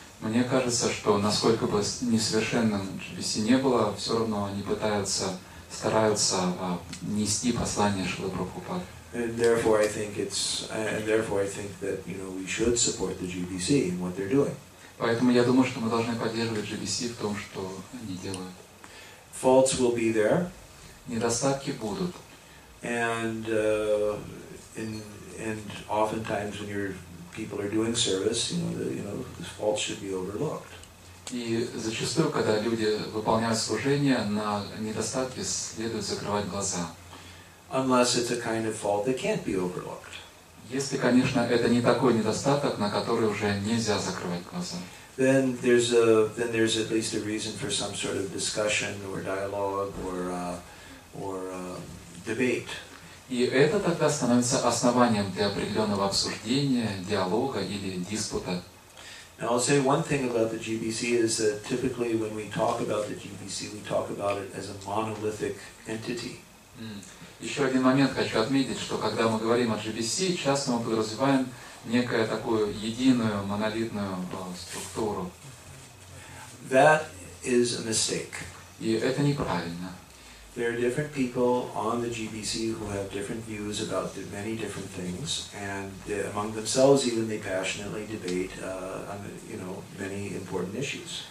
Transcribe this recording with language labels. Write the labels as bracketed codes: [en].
[ru] Мне кажется, что насколько бы несовершенным GBC не было, все равно они стараются нести послание Шрилы Прабхупады. Поэтому я думаю, что мы должны поддерживать GBC в том, что они делают. [en] Faults will be there. [ru] Недостатки будут. [en] And oftentimes when you're people are doing service, this fault should be overlooked. [ru] И зачастую, когда люди выполняют служение, на недостатки следует закрывать глаза. [en] Unless it's a kind of fault that can't be overlooked. [ru] Если, конечно, это не такой недостаток, на который уже нельзя закрывать глаза. [en] Then there's at least a reason for some sort of discussion or dialogue or debate. [ru] И это тогда становится основанием для определенного обсуждения, диалога или диспута. [en] Now I'll say one thing about the GBC is that typically when we talk about the GBC, we talk about it as a monolithic entity. [ru] Еще один момент хочу отметить, что когда мы говорим о GBC, часто мы подразумеваем некую такую единую монолитную структуру. [en] That is a mistake. [ru] И это неправильно. [en] There are different people on the GBC who have different views about the many different things, and among themselves even they passionately debate many important issues.